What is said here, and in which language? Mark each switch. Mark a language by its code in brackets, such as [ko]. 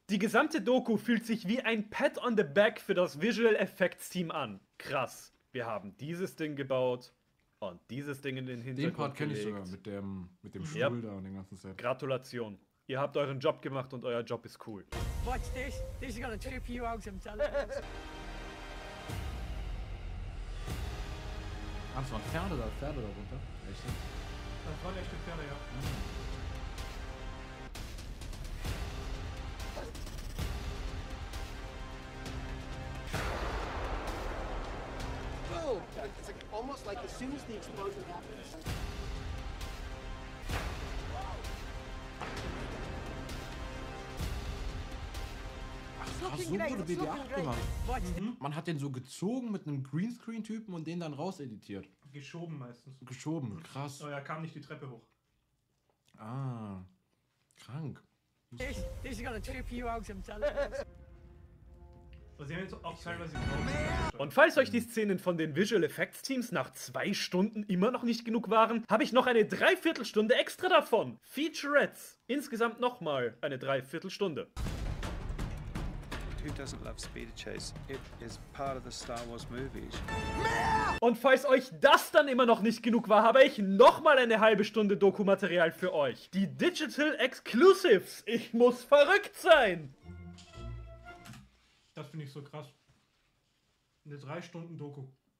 [de] Die gesamte Doku fühlt sich wie ein [en] Pat on the Back [de] für das Visual Effects Team an. Krass, wir haben dieses Ding gebaut und dieses Ding in den Hintergrund gelegt. Den Part kenne ich sogar mit dem Stuhl da und dem ganzen Set. Gratulation, ihr habt euren Job gemacht und euer Job ist cool. [en] Watch this. This is gonna trip you out, I'm telling you. [de] Ah, das waren Pferde da runter. Echt? Das waren echte Pferde, ja. [en] Boom! It's like almost like as soon as the explosion happens. [de] So wurde BB-8 gemacht. Man hat den so gezogen mit einem Greenscreen-Typen und den dann rauseditiert. Geschoben meistens. Geschoben, krass. Oh ja, kam nicht die Treppe hoch. Ah, krank. [en] This is gonna trip you out, I'm telling you. [de] Und falls euch die Szenen von den Visual Effects Teams nach 2 Stunden immer noch nicht genug waren, habe ich noch eine Dreiviertelstunde extra davon. Featurettes. Insgesamt nochmal eine Dreiviertelstunde. [en] Who doesn't love Speeder Chase? It is part of the Star Wars movies. [de] Und falls euch das dann immer noch nicht genug war, habe ich nochmal eine halbe Stunde Dokumaterial für euch. Die Digital Exclusives. Ich muss verrückt sein. Das finde ich so krass. Eine 3-Stunden-Doku.